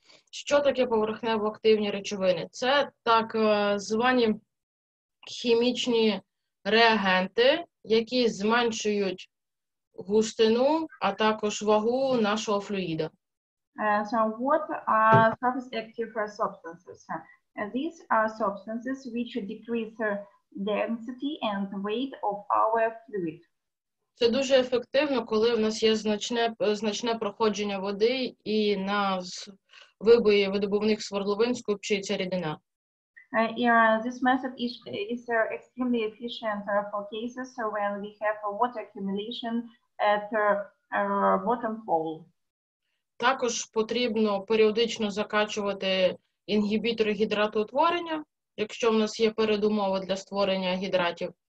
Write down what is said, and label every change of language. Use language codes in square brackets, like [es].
[uk] Що таке поверхнево-активні речовини? Це так звані хімічні реагенти, які зменшують густину, а також вагу нашого флюїда. [en] So what are surface active substances? These are substances which decrease density and weight of our fluid. [uk] Це дуже ефективно, коли в нас є значне проходження води і на вибої видобувних свердловин скупчується рідина. [en] This method is extremely efficient for cases when we have a water accumulation at bottom hole. [uk] Також потрібно періодично закачувати інгібітори гідратоутворення, якщо в нас є передумови для створення гідратів.